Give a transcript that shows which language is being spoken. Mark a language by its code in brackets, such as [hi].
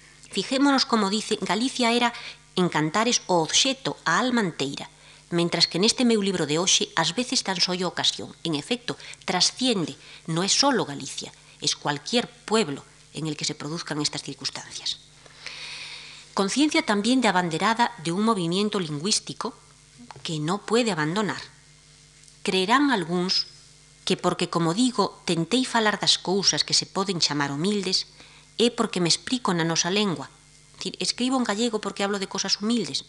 [es] Fijémonos como dice, [gl] Galicia era en cantares o obxeto a alma anteira, mentras que neste meu libro de hoxe, ás veces tan só ocasión, [es] en efecto, trasciende, no é solo Galicia, es cualquier pueblo en el que se produzcan estas circunstancias. Conciencia también de abanderada de un movimiento lingüístico que no puede abandonar. [gl] Creerán algúns que porque, como digo, tentei falar das cousas que se poden chamar humildes, é porque me explico na nosa lengua. [es] Escribo en gallego porque hablo de cosas humildes.